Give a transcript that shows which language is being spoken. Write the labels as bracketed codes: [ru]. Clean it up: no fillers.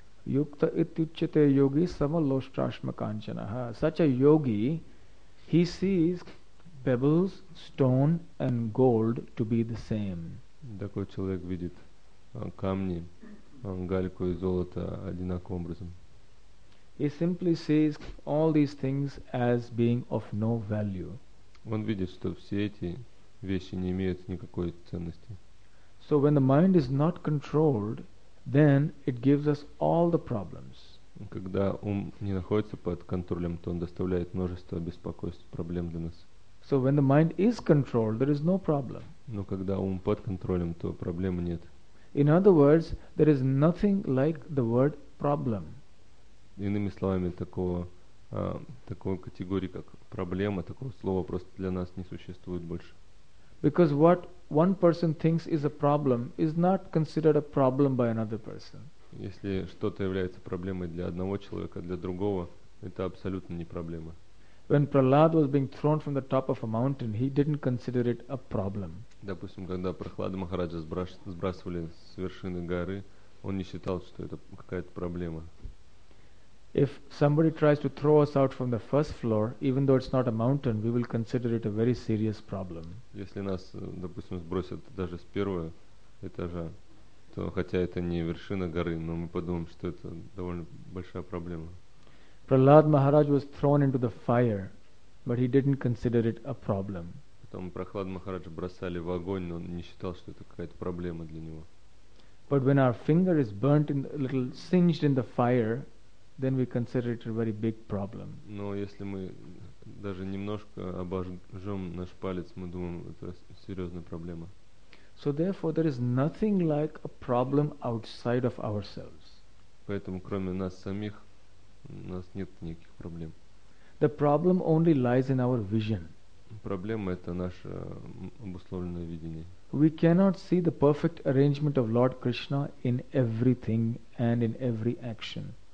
[sa] Yukta ityuchyate yogi samaloshtrashmakanchanah. [en] Such a yogi, he sees pebbles, stone and gold to be the same. [ru] Такой человек видит камни, гальку и золото одинаковым образом. [en] He simply sees all these things as being of no value. [ru] Он видит, что все эти вещи не имеют никакой ценности. [en] So when the mind is not controlled, then it gives us all the problems. [ru] Когда ум не находится под контролем, то он доставляет множество беспокойств, проблем для нас. [en] So when the mind is controlled, there is no problem. [ru] Но когда ум под контролем, то проблемы нет. [en] In other words, there is nothing like the word problem. [ru] Иными словами, такой категории, как проблема, такого слова просто для нас не существует больше. [en] Because what one person thinks is a problem is not considered a problem by another person. [ru] Если что-то является проблемой для одного человека, для другого, это абсолютно не проблема. [en] When Prahlad was being thrown from the top of a mountain, he didn't consider it a problem. [ru] Допустим, когда Прахлада Махараджа сбрасывали с вершины горы, он не считал, что это какая-то проблема. [en] If somebody tries to throw us out from the first floor, even though it's not a mountain, we will consider it a very serious problem. [ru] Если нас, допустим, сбросят даже с первого этажа, то хотя это не вершина горы, но мы подумаем, что это довольно большая проблема. [en] Prahlad Maharaj was thrown into the fire, but he didn't consider it a problem. [ru] Потом Прохлад Махарадж бросали в огонь, но он не считал, что это какая-то проблема для него. [en] But when our finger is burnt in a little singed in the fire, then we consider it a very big problem. [ru] Но если мы даже немножко обожжем наш палец, мы думаем, это серьезная проблема. [en] So therefore, there is nothing like a problem outside of ourselves. [ru] Поэтому кроме нас самих у нас нет никаких проблем. [en] The problem only lies in our vision. [ru] Проблема — это наше обусловленное видение. [en] We cannot see the perfect arrangement of Lord Krishna in everything and in every action.